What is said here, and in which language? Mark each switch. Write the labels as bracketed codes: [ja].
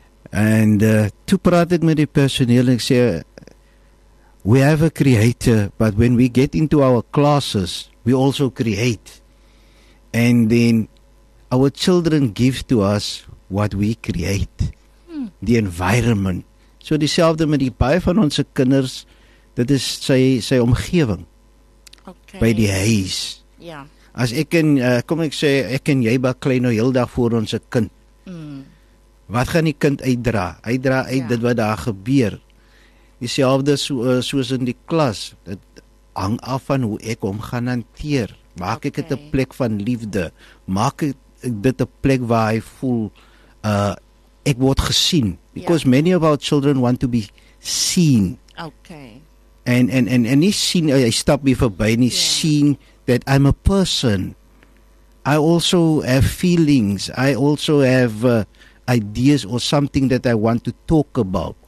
[en] And [af] toe praat ek met die personeel en ek sê, [en] we have a creator, but when we get into our classes, we also create. And then our children give to us what we create, the environment. [af] So dieselfde met die baie van ons kinders, dit is sy omgewing. [en] Okay. [af] By die huis. Ja. As ek en, kom ek sê, ek en jy baklei nou heel dag voor ons kind. Wat gaan die kind uitdra? Uitdra uit dit wat daar gebeur. Dieselfde soos in die klas. Dit hang af van hoe ek hom gaan hanteer. Maak ek dit 'n plek van liefde? Maak ek dit 'n plek waar hy voel, ek word gesien? [en] Because many of our children want to be seen. Okay. [af] En nie sien, hy stap nie verby nie, sien [en] that I'm a person. I also have feelings. I also have ideas or something that I want to talk about.